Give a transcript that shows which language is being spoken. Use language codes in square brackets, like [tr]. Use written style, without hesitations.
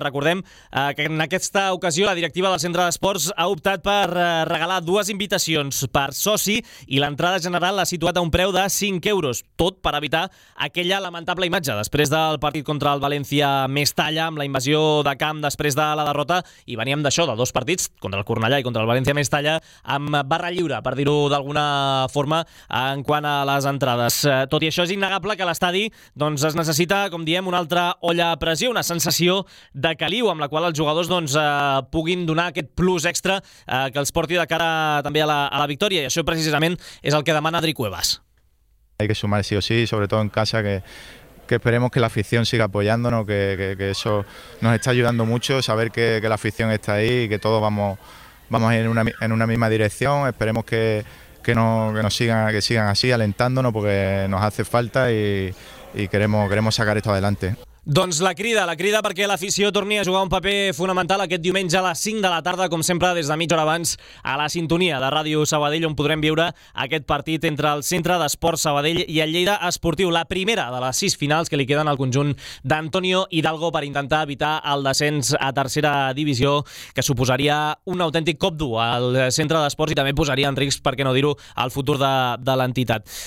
[ca] Recordem que en aquesta ocasió la directiva del Centre d'Esports ha optat per regalar dues invitacions per soci i l'entrada general l'ha situat a un preu de 5 euros, tot per evitar aquella lamentable imatge després del partit contra el València Mestalla amb la invasió de camp després de la derrota, i veníem d'això, de dos partits contra el Cornellà i contra el València Mestalla amb barra lliure, per dir-ho d'alguna forma, en quant a les entrades. Tot i això, és innegable que l'estadi, doncs, es necessita, com diem, una altra olla a pressió, una sensació de caliu amb la qual els jugadors, doncs, puguin donar aquest plus extra que els porti de cara també a la victòria. I això precisament és el que demana Adri Cuevas. [es] Hay que sumar sí o sí, sobre todo en casa, que esperemos que la afición siga apoyándonos, que eso nos está ayudando mucho, saber que la afición está ahí y que todos vamos a ir en una misma dirección. Esperemos que sigan así alentándonos, porque nos hace falta y queremos sacar esto adelante. [ca] Doncs la crida perquè l'afició torni a jugar un paper fonamental aquest diumenge a les 5 de la tarda, com sempre des de mitja hora abans, a la sintonia de Ràdio Sabadell, on podrem viure aquest partit entre el Centre d'Esports Sabadell i el Lleida Esportiu, la primera de les 6 finals que li queden al conjunt d'Antonio Hidalgo per intentar evitar el descens a tercera divisió, que suposaria un autèntic cop dur al Centre d'Esports i també posaria en risc, per què no dir-ho, el futur de l'entitat.